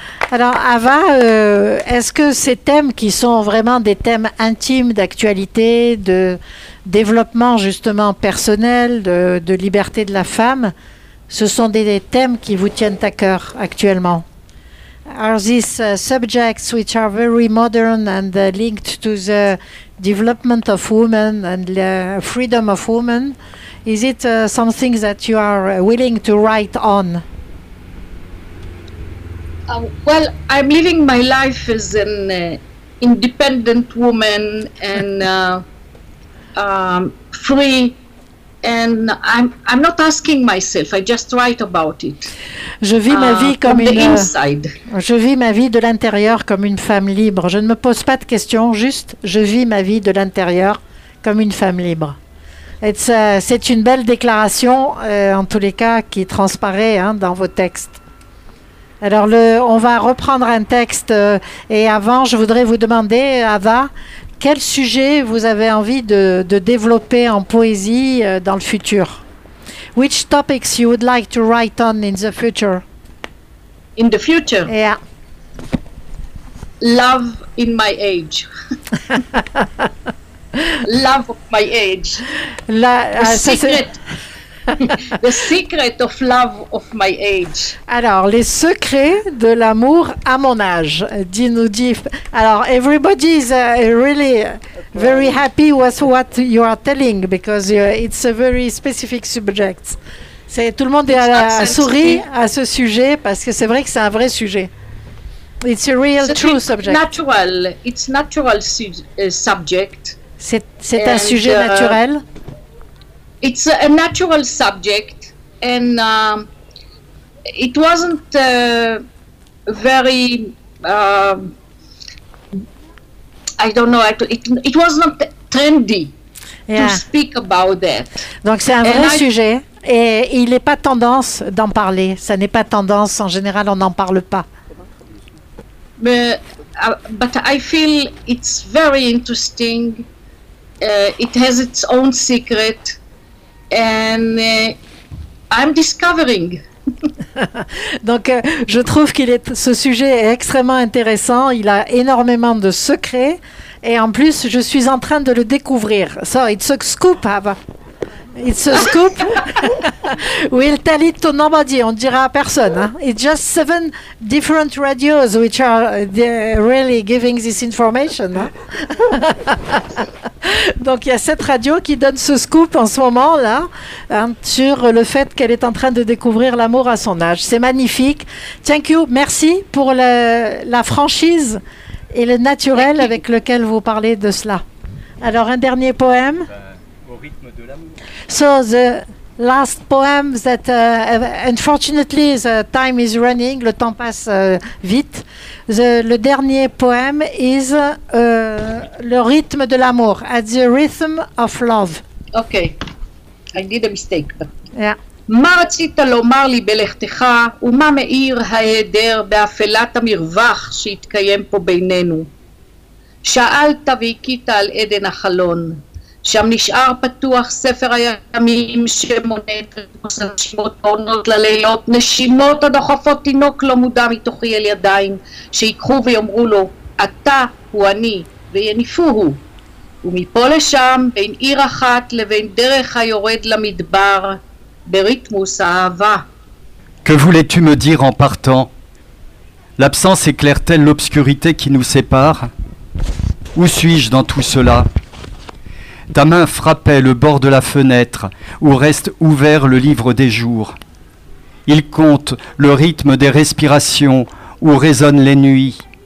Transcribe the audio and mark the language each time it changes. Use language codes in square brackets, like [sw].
[fr] Alors Hava, est-ce que ces thèmes qui sont vraiment des thèmes intimes d'actualité, de développement justement personnel, de liberté de la femme, ce sont des thèmes qui vous tiennent à cœur actuellement? [en] Are these subjects which are very modern and linked to the development of women and the freedom of women, is it something that you are willing to write on? Well, I'm living my life as an independent woman and free, and I'm not asking myself. I just write about it. [fr] Je vis ma vie comme [en] from the [fr] une. [en] Inside. [fr] Je vis ma vie de l'intérieur comme une femme libre. Je ne me pose pas de questions. Juste, je vis ma vie de l'intérieur comme une femme libre. C'est une belle déclaration, en tous les cas, qui transparaît dans vos textes. Alors, on va reprendre un texte, et avant, je voudrais vous demander, Hava, quel sujet vous avez envie de développer en poésie dans le futur? [en] Which topics you would like to write on in the future? In the future? Yeah. Love in my age. Love of my age. Secret. The secret of love of my age. [fr] Alors, les secrets de l'amour à mon âge, nous dit. [en] Alors, everybody is really very happy with what you are telling because it's a very specific subject. [fr] Tout le monde sourit à ce sujet parce que c'est vrai que c'est un vrai sujet. [en] It's a real true subject. Natural. It's natural subject. [fr] C'est un sujet naturel. [en] It's a natural subject, and it wasn't very, I don't know, it was not trendy to speak about that. [fr] Donc c'est un vrai sujet, et il n'est pas tendance d'en parler, ça n'est pas tendance, en général on n'en parle pas. [en] But I feel it's very interesting, it has its own secret. And I'm discovering. [fr] Donc, je trouve que ce sujet est extrêmement intéressant. Il a énormément de secrets. Et en plus, je suis en train de le découvrir. [en] So, it's a scoop, Hava. It's a scoop. We'll tell it to nobody. [fr] On dira à personne. Hein. [en] It's just 7 different radios which are really giving this information. Hein. [fr] Donc, il y a 7 radios qui donnent ce scoop en ce moment, là, hein, sur le fait qu'elle est en train de découvrir l'amour à son âge. C'est magnifique. [en] Thank you. [fr] Merci pour la franchise et le naturel avec lequel vous parlez de cela. Alors, un dernier poème. [en] So the last poem that unfortunately the time is running, [fr] le temps passe vite. Le dernier [en] poem is [fr] le rythme de l'amour, [en] at the rhythm of love. Okay, I did a mistake. Yeah. [he] מה רצית לומר לי בלכתך ומה מאיר ההיעדר באפלת המרווח שהתקיים פה בינינו? שאלת והקית על עדן החלון. שם נשאר פתוח ספר הימים שמונה את הנשימות העונות ללילות, נשימות הדוחפות תינוק לא מודע מתוכי אל ידיים, שיקחו ויאמרו לו, אתה הוא אני, ויניפו הוא. ומפה לשם, בין עיר אחת לבין דרך היורד למדבר, בריתמוס האהבה. [fr] Que voulais-tu me dire en partant? L'absence éclaire-t-elle l'obscurité qui nous sépare? Où suis-je dans tout cela? Ta main frappait le bord de la fenêtre où reste ouvert le livre des jours. Il compte le rythme des respirations où résonnent les nuits.